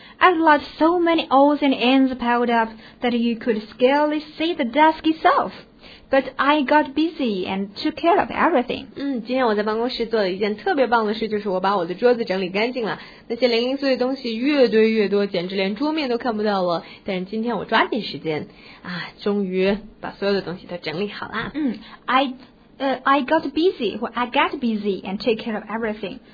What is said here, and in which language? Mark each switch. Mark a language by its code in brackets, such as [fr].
[en] I've left so many odds and ends piled up that you could scarcely see the desk itself. But I got busy and took care of everything. [zh] 今天我在办公室做了一件特别棒的事，就是我把我的桌子整理干净了。那些零零碎碎东西越堆越多，简直连桌面都看不到了。但是今天我抓紧时间，终于把所有的东西都整理好了。 [en] I got busy and take care of everything.